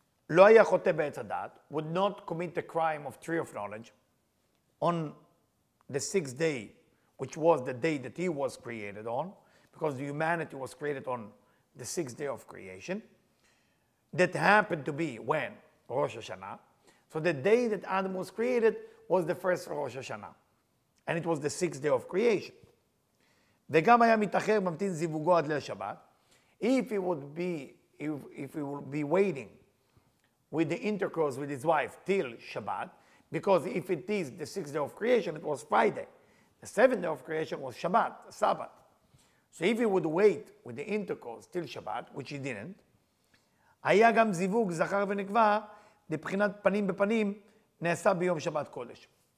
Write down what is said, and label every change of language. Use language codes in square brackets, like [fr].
[he] לא היה חוטא בעץ הדעת, [en] would not commit the crime of tree of knowledge on the sixth day, which was the day that he was created on, because the humanity was created on the sixth day of creation, that happened to be when? Rosh Hashanah. So the day that Adam was created was the first Rosh Hashanah. And it was the sixth day of creation. [he] וגם היה מתאחר ממתין זיווגו עד לשבת. [en] If he would be waiting with the intercourse with his wife till Shabbat, because if it is the sixth day of creation, it was Friday. The seventh day of creation was Shabbat, Sabbath. So if he would wait with the intercourse till Shabbat, which he didn't, [he] היה גם זיווג זכר ונקבה לבחינת פנים בפנים נעשה ביום שבת קודש.